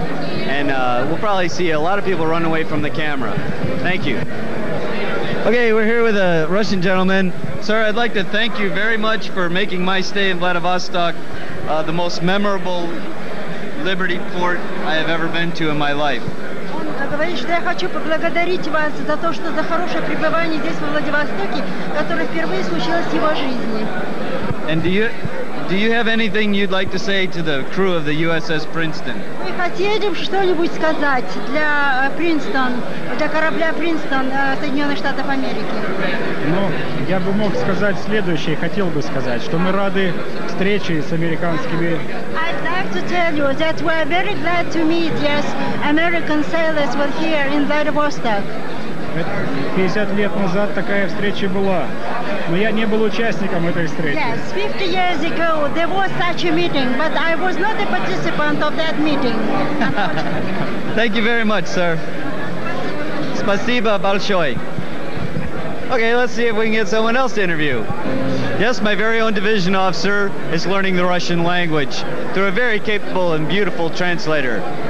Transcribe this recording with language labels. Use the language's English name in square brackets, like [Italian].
[English] And we'll probably see a lot of people run away from the camera. Thank you. Okay, we're here with a Russian gentleman. Sir, I'd like to thank you very much for making my stay in Vladivostok the most memorable Liberty port I have ever been to in my life. [Russian] Говорит, что я хочу поблагодарить вас за то, что за хорошее пребывание здесь, во Владивостоке, которое впервые случилось в его жизни. [English] And do you have anything you'd like to say to the crew of the USS Princeton? [Russian] Мы хотели бы что-нибудь сказать для Принстон, для корабля Принстон Соединенных Штатов Америки. Ну, я бы мог сказать следующее, хотел бы сказать, что мы рады встрече с американскими... [English] I'd like to tell you that we are very glad to meet, yes, American sailors were here in Vladivostok. [Russian] 50 лет назад такая встреча была, но я не был участником этой встречи. [English] Yes, 50 years ago there was such a meeting, but I was not a participant of that meeting. Thank you very much, sir. [Russian] Спасибо большое. [English] Okay, let's see if we can get someone else to interview. Yes, my very own division officer is learning the Russian language through a very capable and beautiful translator.